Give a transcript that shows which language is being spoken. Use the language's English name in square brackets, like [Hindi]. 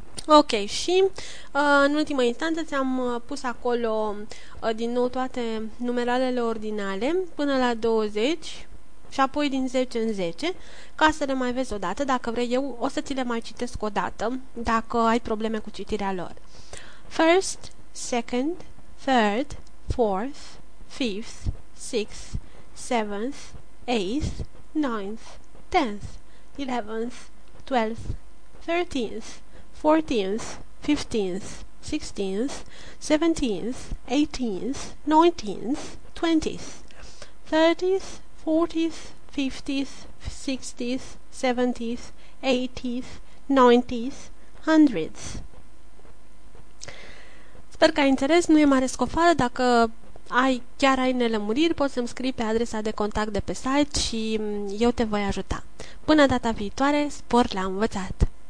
[Romanian] Ok, și în ultimă instanță ți-am pus acolo din nou toate numeralele ordinale până la 20 și apoi din 10 în 10, ca să le mai vezi odată. Dacă vrei, eu o să ți le mai citesc odată, dacă ai probleme cu citirea lor. [English] First, second, third, fourth, fifth, sixth, seventh, eighth, ninth, tenth, eleventh, twelfth, thirteenth, 14th, 15th, 16th, 17th, 18th, 19th, 20th, 30th, 40th, 50th, 60th, 70th, 80th, 90th, 100th. [Romanian] Sper că ai înțeles, nu e mare scofală. Dacă chiar ai nelămuriri, poți să-mi scrii pe adresa de contact de pe site și eu te voi ajuta. Până data viitoare, spor la învățat!